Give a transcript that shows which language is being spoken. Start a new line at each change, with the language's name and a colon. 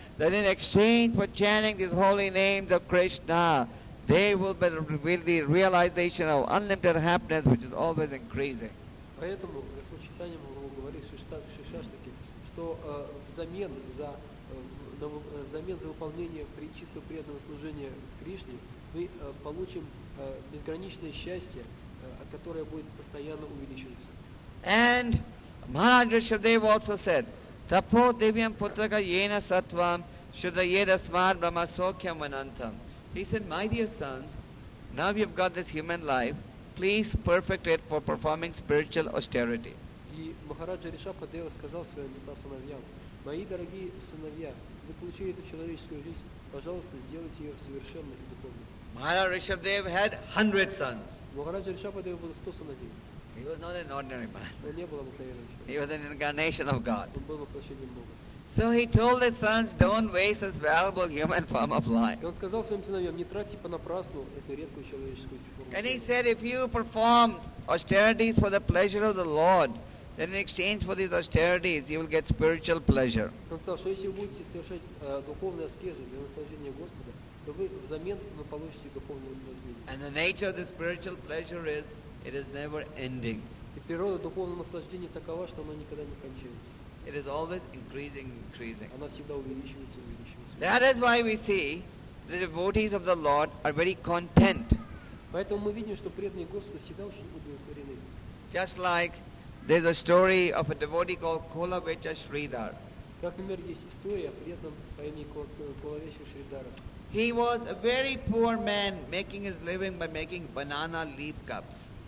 English: That in exchange for chanting these holy names of Krishna, they will be the realization of unlimited happiness which is always increasing.
Russian: Поэтому Господь Чайтанья Махапрабху говорит Шишаштаке, что взамен за выполнение чистого преданного служения Кришне мы получим безграничное счастье, которое будет постоянно увеличиваться.
English: And Maharaj Rishabhdev also said,
Sanskrit: Tapo Divyam Putraka Yena Sattvam Shuddha Yeda Smad Brahma Sokhyam Vanantam.
English: He said, my dear sons, now you've got this human life, please perfect it for performing spiritual austerity.
Russian: И Махараджа Ришабхадева сказал своим ста сыновьям, мои дорогие сыновья, вы получили эту человеческую жизнь, пожалуйста, сделайте ее совершенно и духовно.
English: Maharaj Rishabhdev had 100 sons.
Russian: Махараджа Ришабхадева было 100 сыновей.
English: He was not an ordinary man.
Russian: Он
English: He was an incarnation of God.
Russian: Он был воплощением Бога.
English: So he told his sons, don't waste this valuable human form of life.
Russian: Он сказал своим сыновьям, не тратьте понапрасну эту редкую человеческую форму.
English: And he said, if you perform austerities for the pleasure of the Lord, then in exchange for these austerities, you will get spiritual pleasure.
Russian: Он сказал, что если вы будете совершать духовные аскезы для наслаждения Господа, то вы взамен получите духовное наслаждение.
English: And the nature of the spiritual pleasure is, it is never ending.
Russian: И природа духовного наслаждения такова, что оно никогда не кончается.
English: It is always increasing, increasing.
Russian: Она всегда увеличивается, увеличивается.
English: That is why we see the devotees of the Lord are very content.
Russian: Поэтому мы видим, что преданные Господу всегда очень удовлетворены.
English: Just like there's a story of a devotee called Kolavecha Sridhar.
Russian: Как, например, есть история о преданном по имени Колавеча Шридхара.
English: He was a very poor man making his living by making banana leaf cups.